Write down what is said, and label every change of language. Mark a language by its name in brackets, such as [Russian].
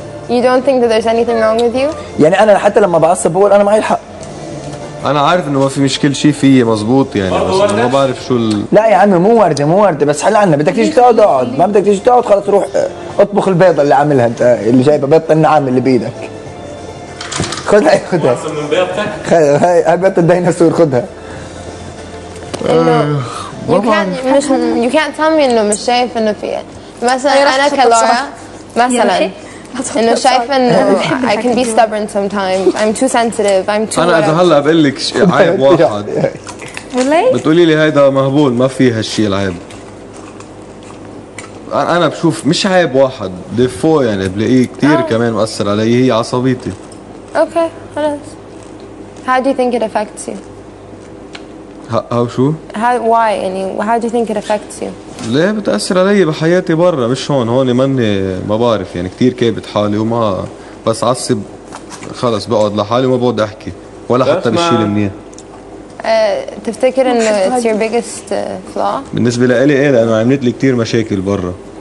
[English] You don't think that there's anything wrong with you? [Arabic] يعني انا حتى لما بعصب بقول انا معي الحق. انا عارف انه ما في مشكل شيء فيي مزبوط يعني بس ما بعرف شو لا يا عمي مو ورده مو ورده بس حل عنا بدك تيجي تقعد اقعد ما بدك تيجي تقعد خلص روح اطبخ البيضه اللي عاملها انت اللي جايبه بيضه النعام اللي بايدك. خذها هي خذها. احسن من بيضتك؟ خذها هي بيضه الديناصور خذها. [English] You can't tell me [Arabic] إنه مش شايف إنه [English] في مثلا أنا كلارا مثلا إنه شايف إنه I can be stubborn sometimes I'm too sensitive I'm too [Arabic] أنا إذا هلا بقلك عيب واحد بتقولي لي هيدا مهبول ما في هالشي العيب أنا بشوف مش عيب واحد ديفو يعني بلاقيه كتير كمان مؤثر علي هي عصبيتي. [English] Okay خلاص. How do you think it affects you? How شو؟ Why يعني how do you think it affects you؟ [Arabic] ليه بتأثر علي بحياتي برا مش هون هون ماني ما بعرف يعني كتير كابت حالي وما بس عصب خلص بقعد لحالي وما بقعد أحكي ولا حتى بشيل منيح. تفتكر إنه [English] it's your biggest flaw؟ [Arabic] بالنسبة لإلي إيه لأنه عملت لي كتير مشاكل برا.